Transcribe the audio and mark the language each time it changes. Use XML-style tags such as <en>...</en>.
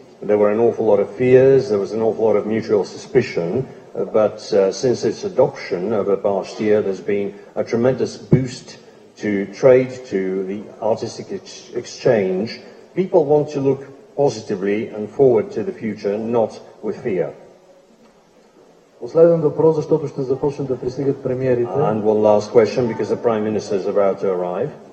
<en>There were an awful lot of fears, there was an awful lot of mutual suspicion, but since its adoption over past year, there's been a tremendous boost to trade, to the artistic exchange. People want to look positively and forward to the future, not with fear.</en> <bg>Последен въпрос, защото ще започнат да пристигат премиерите.</bg> <en>And one last question, because the Prime Minister is about to arrive.</en>